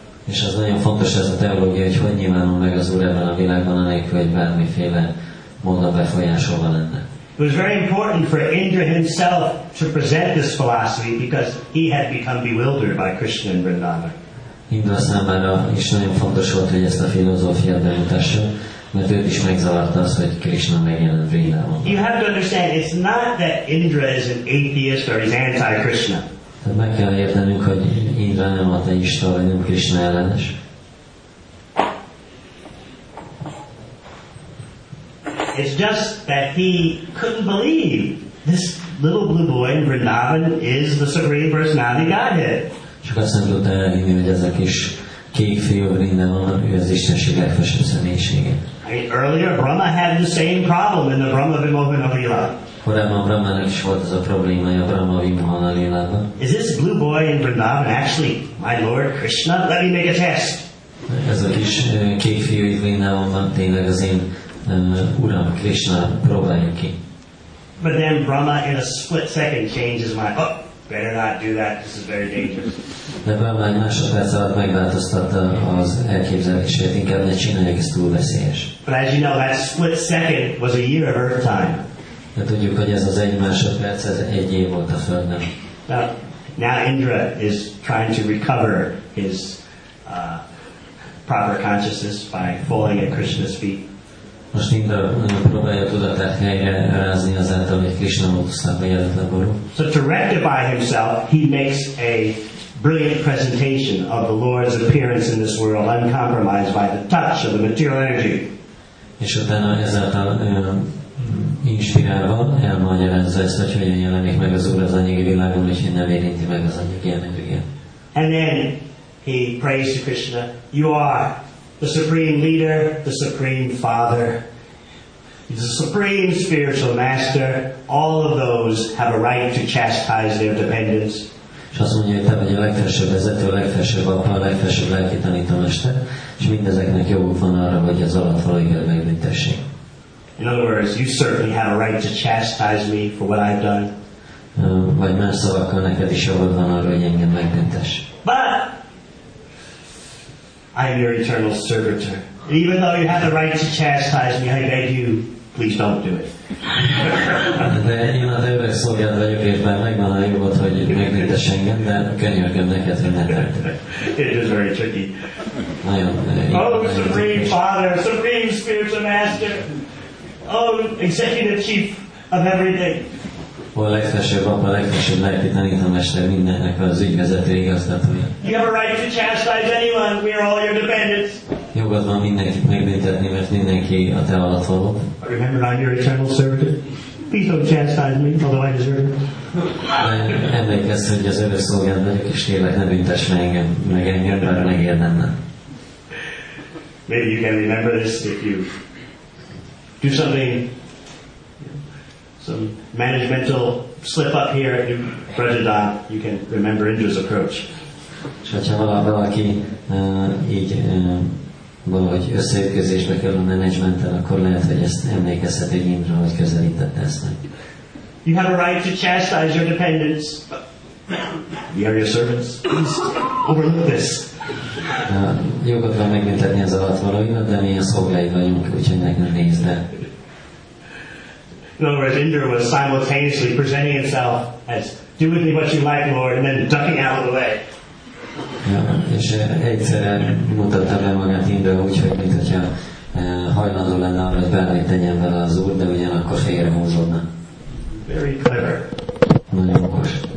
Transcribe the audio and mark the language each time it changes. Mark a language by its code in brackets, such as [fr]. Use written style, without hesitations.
[hu] És ez nagyon fontos, ez a teológia, hogy hogy nyilvánul meg az Úr ebben a világban, anélkül, hogy bármiféle módon befolyásolva lenne. [en] It was very important for Indra himself to present this philosophy because he had become bewildered by Krishna and Vrindavan. [hu] Indra számára is nagyon fontos volt, hogy ezt a filozófiát bemutassa, mert őt is megzavart az, hogy Krishna megjelent Vrindavanban. [en] You have to understand, it's not that Indra is an atheist or he's anti-Krishna. [hu] Tehát meg kell értenünk, hogy Indra nem ateista, vagy nem Krishna ellenes. [en] It's just that he couldn't believe this little blue boy in Vrindavan is the Supreme Personality Godhead. [hu] Csak azt nem tudta elhinni, hogy ez a kis kék fiú Vrindavan, ő az Istenség legfősebb személyisége. [en] Earlier Brahma had the same problem in the Brahma Vimohana Lila. [hu] Korábban Brahmának is volt ez a problémája a Brahma Vimohana Lilában. [en] Is this blue boy in Vrindavan actually my Lord Krishna? Let me make a test. [hu] Ez a kis kék fiú itt Vrindavanban tényleg az én Uram Krishna, próbáljunk ki. [en] But then Brahma in a split second changes mind. Oh, better not do that. This is very dangerous. [hu] De Brahma egy másodperc alatt megváltoztatta az elképzelését. Inkább ne csináljuk, ez túl veszélyes. [en] But as you know, that split second was a year of earth time. [hu] De tudjuk, hogy ez az egy másodperc, ez egy év volt a Földön. [en] Now Indra is trying to recover his proper consciousness by falling at Krishna's feet. [hu] Most Indra próbálja tudatát helyrerázni azáltal, hogy Krishna lótuszába jelent a guru. [en] So to rectify himself, he makes a brilliant presentation of the Lord's appearance in this world, uncompromised by the touch of the material energy. [hu] És utána ezáltal inspirálva elmagyarázza ezt, hogy hogyan jelenik meg az Úr az anyagi világon, és hogy nem érinti meg az anyagi energiát. [en] And then he prays to Krishna, you are the supreme leader, the supreme father, the supreme spiritual master, all of those have a right to chastise their dependents. [hu] És azt mondja, hogy te vagy a legfelsőbb vezető, a legfelsőbb apa, a legfelsőbb lelki tanítómester, és mindezeknek joguk van arra, hogy az alattvalóikat megbüntessék. [en] In other words, you certainly have a right to chastise me for what I've done. [hu] Vagy más szavakkal neked is jogod van arra, hogy engem megbüntess. [en] But I am your eternal servitor. And even though you have the right to chastise me, I beg you, please don't do it. [hu] De én a te öreg szolgád vagyok, és bár megvan a jogod, hogy megbüntess engem, de könyörgöm neked, hogy ne tedd. [en] It is very tricky. [hu] Nagyon, [en] Supreme Father, Supreme Spiritual Master, Executive Chief of everything. [hu] Ó, a legfelsőbb apa, a legfelsőbb lelki tanítómester, mindennek az ügyvezető igazgatója. [en] You have a right to chastise anyone, we are all your dependents. [hu] Jogod van mindenkit megbüntetni, mert mindenki a te alatt való. [en] Remember, I'm your eternal servitor. Please don't chastise me, although I deserve it. [hu] Emlékezz, hogy az örök szolgád vagyok, és kérlek, ne büntess meg engem, bár megérdemlem. [en] Maybe you can remember this if you do something, some managemental slip up here at New Brajadon, you can remember Indra's approach. [hu] És ha valaki így valahogy összeütközésbe kerül a menedzsmenten, akkor lehet, hogy ezt emlékezhet, hogy Indra, hogy közelítette ezt meg. [en] You have a right to chastise your dependents. We are your servants. Please overlook this. [hu] Jogod van megbüntetni az alattvalóidat, de mi a szolgáid vagyunk, úgyhogy meg nem nézd el. [en] In other words, Indra was simultaneously presenting himself as do with me what you like, Lord, and then ducking out of the way. [hu] És egyszerre mutatta be magát Indra úgy, hogy mintha hajlandó lenne arra, hogy bármit tegyen vele az Úr, de ugyanakkor félrehúzódna. [en] Very clever. [hu] Nagyon okos.